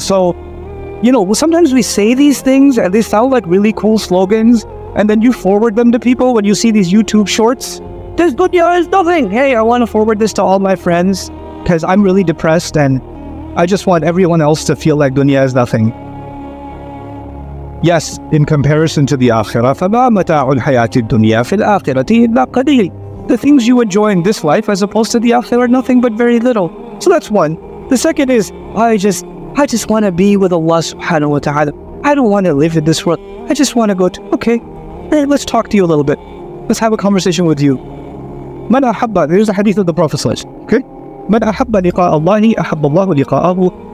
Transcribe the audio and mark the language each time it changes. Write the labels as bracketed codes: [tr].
[en] So, you know, sometimes we say these things and they sound like really cool slogans, and then you forward them to people when you see these YouTube shorts. This dunya is nothing. Hey, I want to forward this to all my friends because I'm really depressed and I just want everyone else to feel like dunya is nothing. Yes, in comparison to the akhirah, [ar] فَمَا مَتَاعُ الْحَيَاةِ الدُّنْيَا فِي الْآخِرَةِ إِلَّا قَلِيلٌ. [en] The things you enjoy in this life as opposed to the akhirah are nothing but very little. So that's one. The second is, I just want to be with Allah subhanahu wa ta'ala. I don't want to live in this world. I just want to go to, okay, hey, let's talk to you a little bit. Let's have a conversation with you. [ar] مَنْ أَحَبَّ, [en] there's a hadith of the Prophet sallallahu alayhi wa sallam, okay? [ar] مَنْ أَحَبَّ لِقَاءَ اللَّهِ أَحَبَّ اللَّهُ لِقَاءَهُ.